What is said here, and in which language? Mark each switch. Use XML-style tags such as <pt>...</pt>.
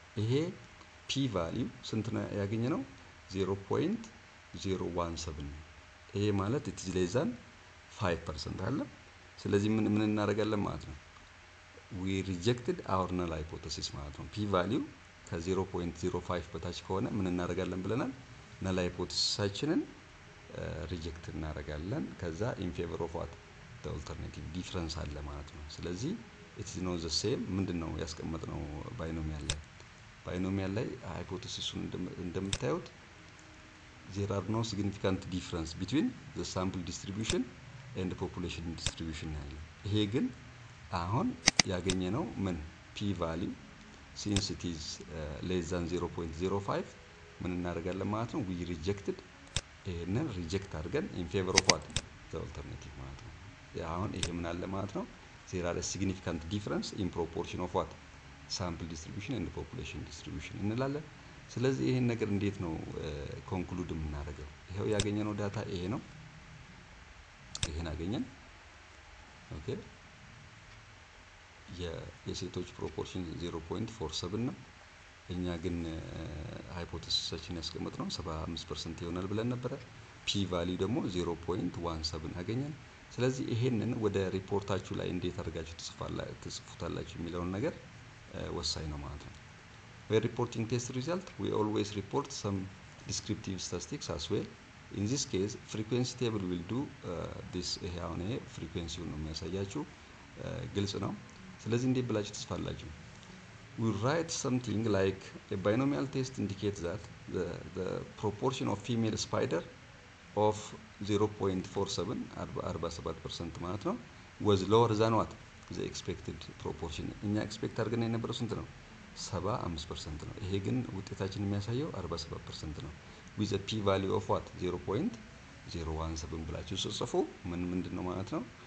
<am>ይሄ p value ስንት ነው ያገኘነው? 0.017 ነው። ይሄ ማለት</am> <en>it is less than 5%</en> <am>አለ። ስለዚህ ምን እናደርጋለን ማለት ነው?</am> <en>We rejected our null hypothesis</en> <am>ማለት ነው። p value ከ0.05 በታች ከሆነ ምን እናደርጋለን ብለናል? null hypothesis-ችንን reject እናደርጋለን። ከዛ</am> <en>in favor of what the alternative difference</en> <am>አለ ማለት ነው። ስለዚህ</am> <en>it is not the same</en> <am>ምንድነው ያስቀመጥነው binomial ላይ?</am> <en>binomial ላይ hypothesis-ን እንደምታዩት there are no significant difference between the sample distribution and the population distribution ያለ።</en> <am>ይሄ ግን አሁን ያገኘነው ምን</am> <en>p value since it is less than 0.05</en> <am>ምን እናደርጋለን ማለት ነው?</am> <en>we rejected</en> <am>ይሄንን reject አድርገን</am> <en>in favor of what the alternative</en> <am>ማለት ነው። አሁን ይሄ ምን አለ ማለት ነው?</am> <en>there are a significant difference in proportion of what sample distribution and the population distribution</en> <am>እንላለን። ስለዚህ ይሄን ነገር እንዴት ነው</am> <en>conclude እናደርገው?</en> <am>ይሄው ያገኘነው ዳታ ይሄ ነው። ይሄን አገኘን። ኦኬ የሴቶች ፕሮፖርሽን 0.47 ነው። እኛ ግን ሃይፖቴሲሳችን ያስቀመጥነው 75% ይሆናል ብለን ነበረ። p value ደግሞ 0.17 አገኘን። ስለዚህ ይሄንን ወደ ሪፖርታችሁ ላይ እንዴት አድርጋችሁ ትጽፉታላችሁ የሚለውን ነገር ወሳኝ ነው ማለት ነው።</am> <en>we reporting test result we always report some descriptive statistics as well. in this case frequency table will do this.</en> <am>ይሄ አሁን ፍሪኩዌንሲውን ነው የሚያሳያችሁ። ግልጽ ነው። ስለዚህ እንዴት ብላችሁ ትጽፋላችሁ?</am> <en>we write something like a binomial test indicates that the proportion of female spider of 0.47 47%</en> <am>ማለት ነው</am> <en>was lower than what the expected proportion.</en> <am>እኛ ኤክስፔክት አድርገን የነበረው ስንት ነው? 75% ነው። ይሄ ግን ውጤታችን የሚያሳየው 47% ነው።</am> <en>with a p value of what 0.017</en> <am>ብላችሁ ጽፉ። ምን ምንድነው ማለት ነው?</am>